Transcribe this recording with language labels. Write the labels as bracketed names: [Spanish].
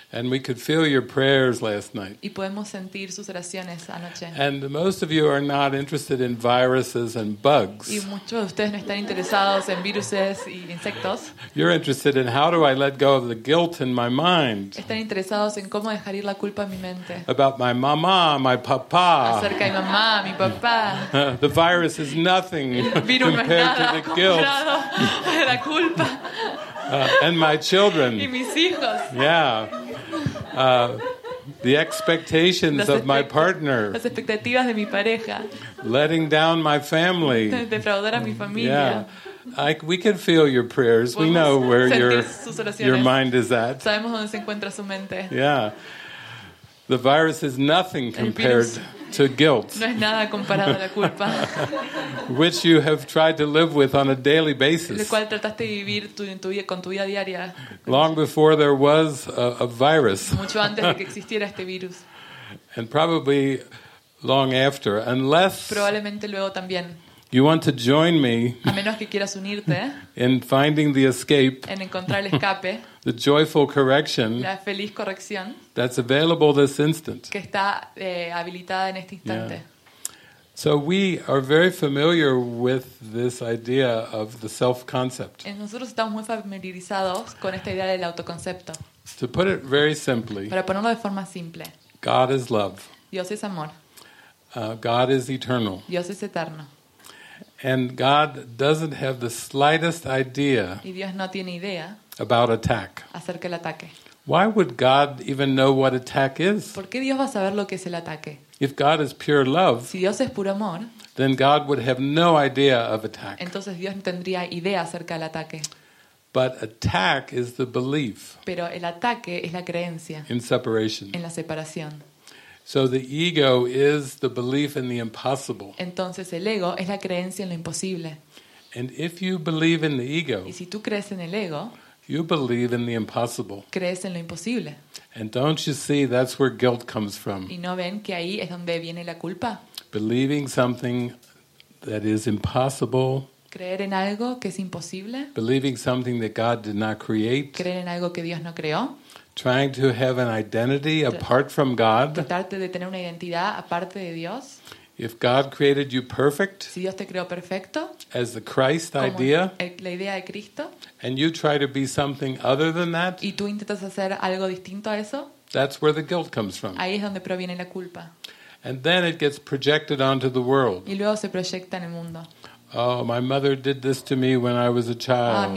[English] And we could feel your prayers last night. [Spanish] Y podemos sentir sus oraciones anoche. [English] And most of you are not interested in viruses and bugs. [Spanish] Y muchos de ustedes no están interesados en viruses y insectos. [English] You're interested in how do I let go of the guilt in my mind. [Spanish] Están interesados en cómo dejar ir la culpa en mi mente. [English] About my mamá, my papá. [Spanish] Acerca de mamá, mi papá. [English] The virus is nothing compared to the guilt. [Spanish] La culpa. [English] And my children. [Spanish] Y mis hijos. [English] Yeah. The expectations of my partner. [Spanish] Las expectativas de mi pareja. [English] Letting down my family. [Spanish] Defraudar a mi familia. Yeah. [English] We can feel your prayers. [Spanish] Podemos [English] we know where your mind is at. [Spanish] Sabemos dónde se encuentra su mente. [English] Yeah. The virus is nothing compared to guilt. [Spanish] No es nada comparado a la culpa. [English] Which you have tried to live with on a daily basis. [Spanish] Lo cual trataste de vivir con tu vida diaria. [English] Long before there was a virus. [Spanish] Mucho antes de que existiera este virus. [English] And probably long after, unless [Spanish] probablemente luego también. [English] You want to join me? [Spanish] A menos que quieras unirte. [English] In finding the escape. [Spanish] En encontrar el escape. [English] The joyful correction. [Spanish] La feliz corrección. [English] That's available this instant. [Spanish] Que está habilitada en este instante. Yeah. [English] So we are very familiar with this idea of the self concept. [Spanish] Nosotros estamos muy familiarizados con esta idea del autoconcepto. [English] To put it very simply. [Spanish] Para ponerlo de forma simple. [English] God is love. [Spanish] Dios es amor. [English] God is eternal. [Spanish] Dios es eterno. [English] And God doesn't have the slightest idea. [Spanish] Y Dios no tiene idea. [English] About attack. [Spanish] Acerca del ataque. [English] Why would God even know what attack is? [Spanish] ¿Por qué Dios va a saber lo que es el ataque? [English] If God is pure love. [Spanish] Si Dios es puro amor. [English] Then God would have no idea of attack. [Spanish] Entonces Dios no tendría idea acerca del ataque. [English] But attack is the belief. [Spanish] Pero el ataque es la creencia. [English] In separation. [Spanish] En la separación. [English] So the ego is the belief in the impossible. [Spanish] Entonces el ego es la creencia en lo imposible. [English] And if you believe in the ego. [Spanish] Y si tú crees en el ego. [English] You believe in the impossible. [Spanish] Crees en lo imposible. [English] And don't you see that's where guilt comes from? [Spanish] ¿Y no ven que ahí es donde viene la culpa? [English] Believing something that is impossible. [Spanish] Creer en algo que es imposible. [English] Believing something that God did not create. [Spanish] Creer en algo que Dios no creó. [English] Trying to have an identity apart from God. [Spanish] Tratar de tener una identidad aparte de Dios. [English] If God created you perfect, [Spanish] si Dios te creó perfecto, [English] as the Christ [Spanish] como [English] idea, [Spanish] la idea de Cristo, [English] and you try to be something other than that, [Spanish] y tú intentas hacer algo distinto a eso, [English] that's where the guilt comes from. [Spanish] Ahí es donde proviene la culpa. [English] And then it gets projected onto the world. [Spanish] Y luego se proyecta en el mundo. [English] Oh, my mother did this to me when I was a child.